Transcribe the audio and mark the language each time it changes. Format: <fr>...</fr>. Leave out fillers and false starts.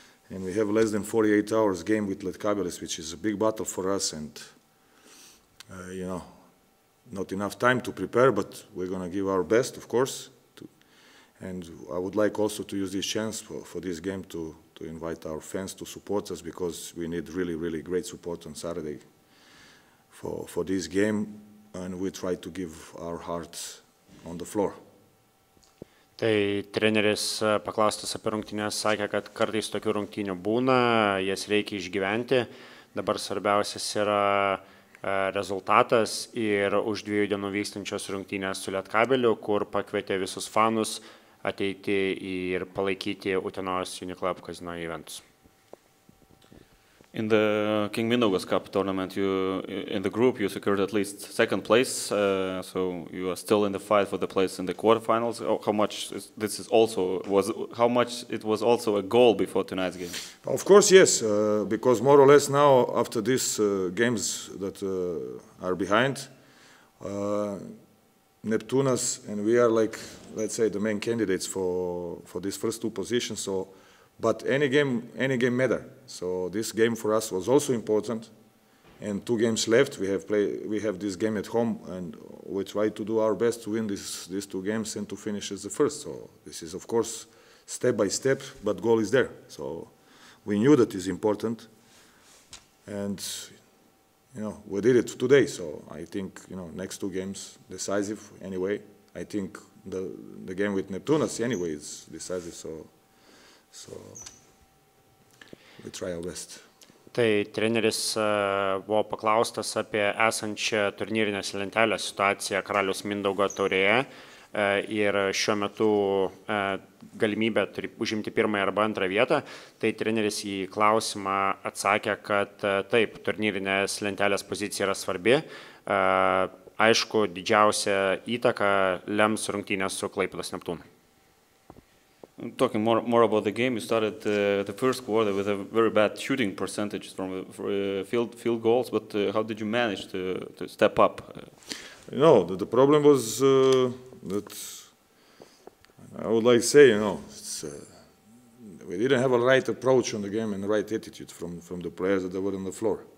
<en>And we have less than 48 hours game with Lietkabelis, which is a big battle for us, and you know, not enough time to prepare, but we're going to give our best, of course. And I would like also to use this chance for this game to invite our fans to support us, because we need really, really great support on Saturday for this game, and we try to give our hearts on the floor.</en> <lt>Tai treneris paklaustas apie rungtynes sakė, kad kartais tokių rungtynių būna, jas reikia išgyventi. Dabar svarbiausias yra rezultatas ir už 2 dienų vykstančios rungtynės su Lietkabeliu, kur pakvietė visus fanus ateiti ir palaikyti Utenos Uniclub kazino eventus.</lt> <en>In the King Mindaugas Cup tournament, you in the group you secured at least second place, so you are still in the fight for the place in the quarterfinals. How much it was also a goal before tonight's game? Of course, yes, because more or less now after these games that are behind, Neptūnas and we are like, let's say, the main candidates for these first two positions. So. But any game matter. So this game for us was also important. And 2 games left, we have this game at home, and we try to do our best to win these 2 games and to finish as the first. So this is of course step by step, but goal is there. So we knew that is important, and you know we did it today. So I think you know next 2 games decisive anyway. I think the game with Neptūnas anyway is decisive. So. So we try our best.</en> <lt>Tai treneris buvo paklaustas apie esančią turnyrinės lentelės situaciją Karaliaus Mindaugo taurėje ir šiuo metu galimybę užimti pirmąją arba antrą vietą. Tai treneris į klausimą atsakė, kad taip, turnyrinės lentelės pozicija yra svarbi. Aišku, didžiausia įtaka lems rungtynės su Klaipėdos Neptūnu.</lt> <en>Talking more about the game, you started the first quarter with a very bad shooting percentage from field goals, but how did you manage to step up? You know, the problem was that I would like to say, you know, it's, we didn't have a right approach on the game and the right attitude from the players that were on the floor.</en>